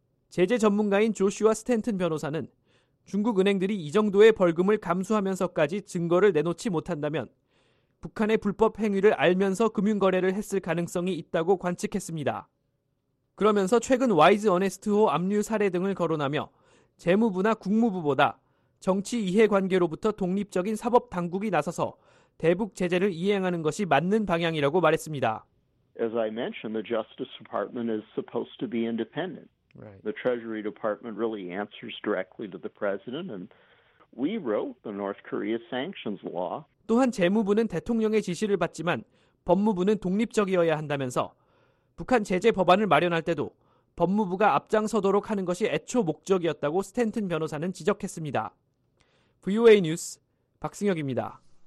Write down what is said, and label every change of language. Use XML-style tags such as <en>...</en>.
<ko>제재 전문가인 조슈아 스탠튼 변호사는 중국 은행들이 이 정도의 벌금을 감수하면서까지 증거를 내놓지 못한다면 북한의 불법 행위를 알면서 금융거래를 했을 가능성이 있다고 관측했습니다. 그러면서 최근 와이즈 어네스트호 압류 사례 등을 거론하며 재무부나 국무부보다 정치 이해관계로부터 독립적인 사법당국이 나서서 대북 제재를 이행하는 것이 맞는 방향이라고 말했습니다.</ko> <en>As I mentioned, the Justice Department is supposed to be independent. The Treasury Department really answers directly to the President, and we wrote the North Korea sanctions law.</en> <ko>또한 재무부는 대통령의 지시를 받지만 법무부는 독립적이어야 한다면서 북한 제재 법안을 마련할 때도 법무부가 앞장서도록 하는 것이 애초 목적이었다고 스탠튼 변호사는 지적했습니다. VOA 뉴스 박승혁입니다.</ko>